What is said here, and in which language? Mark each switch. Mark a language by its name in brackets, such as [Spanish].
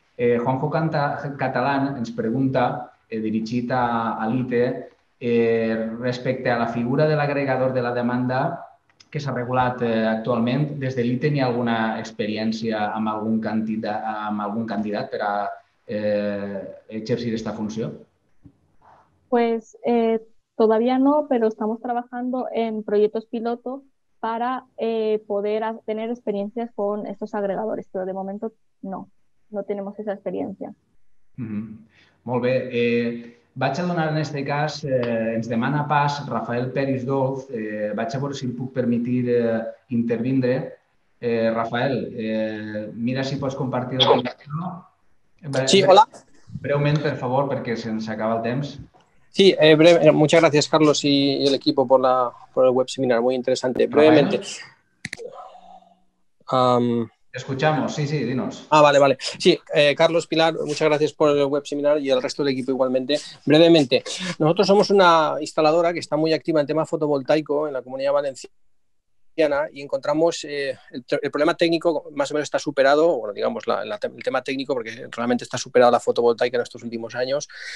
[Catalan] Juanjo Catalán ens pregunta, dirigit a l'ITE, respecte a la figura de l'agregador de la demanda que s'ha regulat actualment, des de l'ITE hi ha alguna experiència amb algun candidat per a exercir aquesta funció? [Spanish] Pues, todavía no, pero estamos trabajando en proyectos piloto para poder tener experiencias con estos agregadores, pero de momento no tenemos esa experiencia. [Catalan] Mm-hmm. Molt bé. Vaig a donar en este cas, ens demana pas Rafael Pérez Dolz. Vaig a veure si em puc permetir intervindre. Rafael, mira si pots compartir el vídeo. Sí, hola. Breument, per favor, perquè se'ns acaba el temps. [Spanish] Sí, breve, muchas gracias, Carlos, y el equipo por el web seminar, muy interesante. Brevemente. Escuchamos, sí, dinos. Ah, vale, vale. Sí, Carlos, Pilar, muchas gracias por el web seminar y el resto del equipo igualmente. Brevemente, nosotros somos una instaladora que está muy activa en tema fotovoltaico en la Comunidad Valenciana, y encontramos el problema técnico más o menos está superado, bueno, digamos el tema técnico, porque realmente está superado la fotovoltaica en estos últimos años.